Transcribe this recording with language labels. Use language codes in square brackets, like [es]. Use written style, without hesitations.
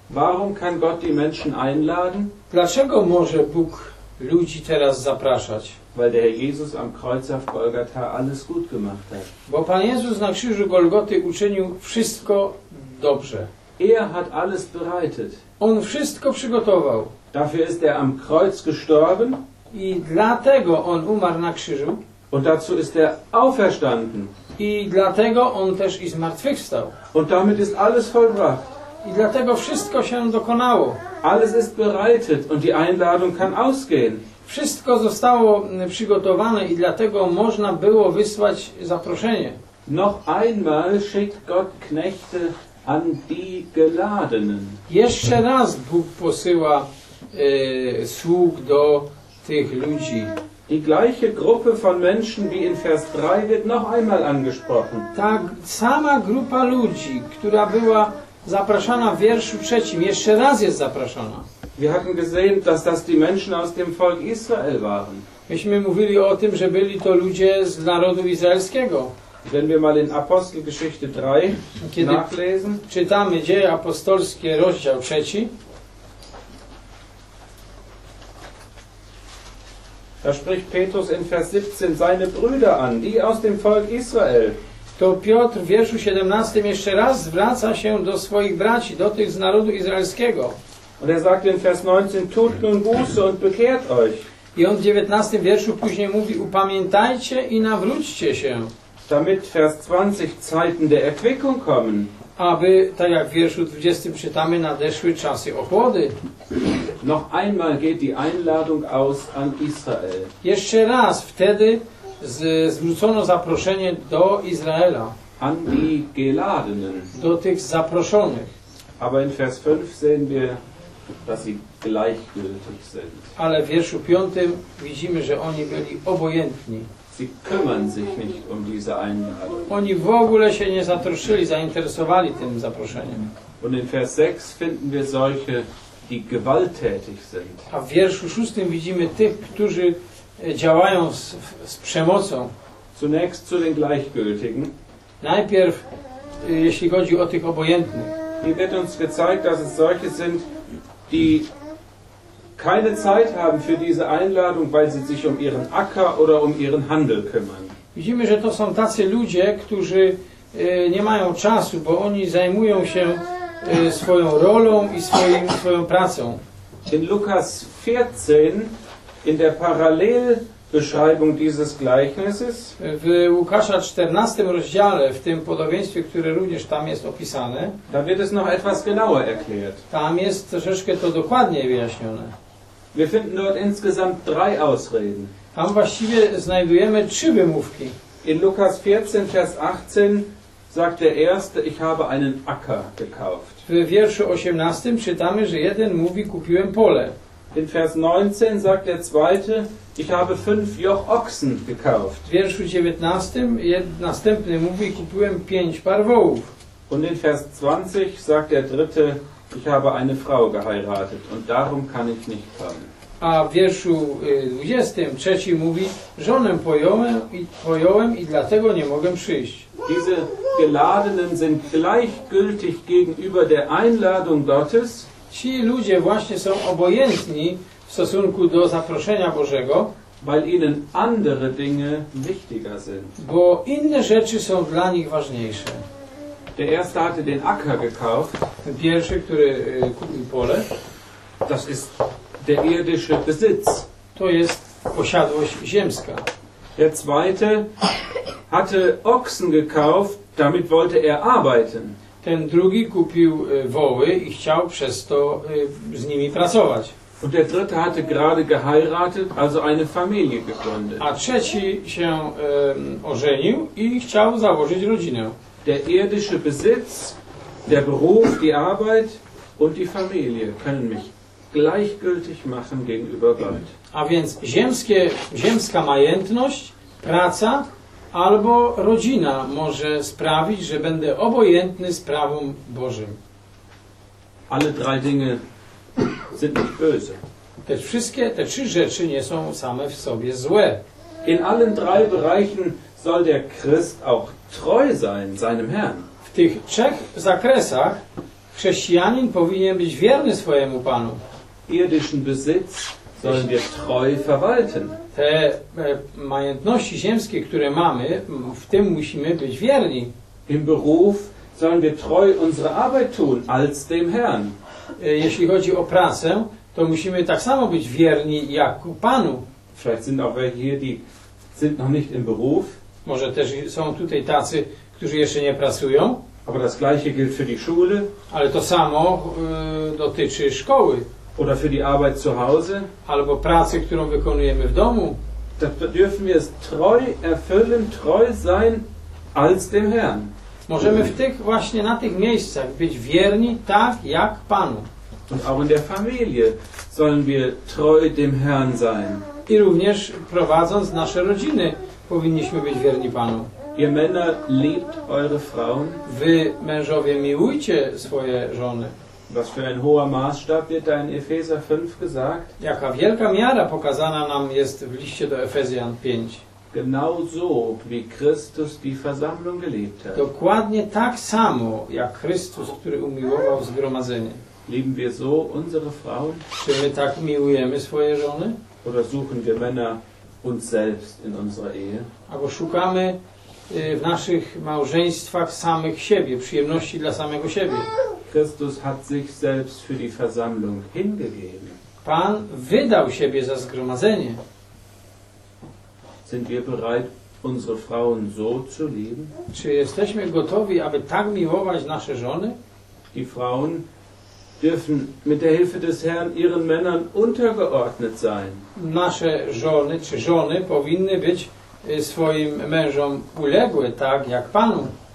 [de] Warum kann Gott die Menschen einladen? [pl] Dlaczego może Bóg ludzi teraz zapraszać? [de] Weil der Herr Jesus am Kreuz auf Golgatha alles gut gemacht hat. [pl] Bo Pan Jezus na krzyżu Golgoty uczynił wszystko dobrze. [de] Er hat alles bereitet. [pl] On wszystko przygotował. [de] Dafür ist er am Kreuz gestorben. [pl] I dlatego on umarł na krzyżu. [de] Und dazu ist er auferstanden. [pl] I dlatego on też i zmartwychwstał. [de] Und damit ist alles vollbracht. [pl] I dlatego wszystko się dokonało. [de] Alles ist bereitet und die Einladung kann ausgehen. [pl] Wszystko zostało przygotowane i dlatego można było wysłać zaproszenie. [de] Noch einmal schickt Gott Knechte an die Geladenen. [pl] Jeszcze raz Bóg posyła sług do tych ludzi. [de] Die gleiche Gruppe von Menschen wie in Vers 3 wird noch einmal angesprochen. [pl] Ta sama grupa ludzi, która była zapraszana w wierszu trzecim, jeszcze raz jest zapraszana. [de] Wir hatten gesehen, dass das die Menschen aus dem Volk Israel waren. [pl] Myśmy mówili o tym, że byli to ludzie z narodu izraelskiego. [de] Wenn wir mal in Apostelgeschichte 3 nachlesen. [pl] Czytamy Dzieje Apostolskie, rozdział trzeci. [de] Da spricht Petrus in Vers 17 seine Brüder an, die aus dem Volk Israel. [pl] To Piotr w wierszu 17 jeszcze raz zwraca się do swoich braci, do tych z narodu izraelskiego. [de] Und er sagt in Vers 19, tut nun Buße und bekehrt euch. [pl] I on w 19 wierszu później mówi, upamiętajcie i nawróćcie się. [de] Damit Vers 20 Zeiten der Erquickung kommen. [pl] Aby, tak jak w wierszu 20 czytamy, nadeszły czasy ochłody. [de] Noch einmal geht die Einladung aus an Israel. [pl] Jeszcze raz wtedy zwrócono zaproszenie do Izraela. [de] An die Geladenen. [pl] Do tych zaproszonych. [de] Aber in Vers 5 sehen wir, dass sie gleichgültig sind. [pl] Ale w wierszu 5 widzimy, że oni byli obojętni. [de] Sie kümmern sich nicht um diese Einladung. [pl] Oni w ogóle się nie zatroszczyli, zainteresowali tym zaproszeniem. [de] Und in Vers 6 finden wir solche, die gewalttätig sind. [pl] A w wierszu 6 widzimy tych, którzy działają z przemocą. [de] Zunächst zu den Gleichgültigen. [pl] Najpierw, jeśli chodzi o tych obojętnych. [de] Hier wird uns gezeigt, dass es solche sind, die keine Zeit haben für diese Einladung, weil sie sich um ihren Acker oder um ihren Handel kümmern. [pl] Widzimy, że to są tacy ludzie, którzy nie mają czasu, bo oni zajmują się swoją rolą i swoją pracą. [de] In Lukas 14, in der Parallelbeschreibung dieses Gleichnisses, [pl] w Łukasza 14 rozdziale, w tym podobieństwie, które również tam jest opisane, [de] da wird es noch etwas genauer erklärt. [pl] Tam jest troszeczkę to dokładniej wyjaśnione. [de] Wir finden dort insgesamt 3 Ausreden. [pl] Tam właściwie znajdujemy 3 wymówki. [de] In Lukas 14, Vers 18 sagt der erste, ich habe einen Acker gekauft. [pl] W wierszu 18 czytamy, że jeden mówi, kupiłem pole. [de] In Vers 19 sagt der zweite, ich habe 5 Joch Ochsen gekauft. [pl] W wierszu 19 następny mówi, kupiłem 5 par wołów. [de] Und in Vers 20 sagt der dritte, ich habe eine Frau geheiratet und darum kann ich nicht kommen. [pl] A w wierszu 23 mówi, żonę pojąłem i dlatego nie mogę przyjść. [de] Diese Geladenen sind gleichgültig gegenüber der Einladung Gottes. [pl] Ci ludzie właśnie są obojętni w stosunku do zaproszenia Bożego. [de] weil ihnen andere Dinge wichtiger sind. [pl] Bo inne rzeczy są dla nich ważniejsze. [de] Der erste hatte den Acker gekauft. [pl] Ten pierwszy, który kupił pole. [de] Das ist der irdische Besitz. [pl] To jest posiadłość ziemska. [de] Der zweite hatte Ochsen gekauft, damit wollte er arbeiten. [pl] Ten drugi kupił woły i chciał przez to z nimi pracować. [de] Und der dritte hatte gerade geheiratet, also eine Familie gegründet. [pl] A trzeci się ożenił i chciał założyć rodzinę. [de] Der irdische Besitz, der Beruf, die Arbeit und die Familie können mich gleichgültig machen gegenüber Gott. [pl] A więc ziemska majętność, praca albo rodzina może sprawić, że będę obojętny sprawom Bożym. [de] Alle drei Dinge sind nicht böse. [pl] Te trzy rzeczy nie są same w sobie złe. [de] In allen drei Bereichen soll der Christ auch treu sein seinem Herrn. [pl] W tych trzech zakresach chrześcijanin powinien być wierny swojemu Panu. [de] Irdischen Besitz sollen wir treu verwalten. [pl] Te majątności ziemskie, które mamy, w tym musimy być wierni. [de] Im Beruf sollen wir treu unsere Arbeit tun als dem Herrn. [pl] Jeśli chodzi o pracę, to musimy tak samo być wierni jak Panu. [de] Vielleicht sind auch welche hier, die sind noch nicht im Beruf. [pl] Może też są tutaj tacy, którzy jeszcze nie pracują. [de] Aber das gleiche gilt für die Schule. [pl] Ale to samo dotyczy szkoły. [de] Oder für die Arbeit zu Hause. [pl] Albo pracy, którą wykonujemy w domu. [de] Da dürfen wir es treu erfüllen, treu sein als dem Herrn. [pl] Możemy w tych właśnie na tych miejscach być wierni tak jak Panu. [de] Und auch in der Familie sollen wir treu dem Herrn sein. [pl] I również prowadząc nasze rodziny powinniśmy być wierni Panu. [de] Ihr Männer liebt eure Frauen. [pl] Wy mężowie miłujcie swoje żony. [de] Was für ein hoher Maßstab wird da in Epheser 5 gesagt? [pl] Jaka wielka miara pokazana nam jest w liście do Efezjan 5. [de] Genau so wie Christus die Versammlung geliebt hat. [pl] Dokładnie tak samo jak Chrystus, który umiłował zgromadzenie. [de] Lieben wir so unsere Frauen? [pl] Czy my tak miłujemy swoje żony? [de] Oder suchen wir Männer uns selbst in unserer Ehe? [pl] Albo szukamy w naszych małżeństwach samych siebie, przyjemności dla samego siebie. [de] Christus hat sich selbst für die Versammlung hingegeben. [pl] Pan wydał siebie za zgromadzenie. [de] Sind wir bereit, unsere Frauen so zu lieben? [pl] Czy jesteśmy gotowi, aby tak miłować nasze żony? [de] Die Frauen dürfen mit der Hilfe des Herrn ihren Männern untergeordnet sein. [pl] Nasze żony czy żony powinny być swoim mężom uległe, tak jak Panu.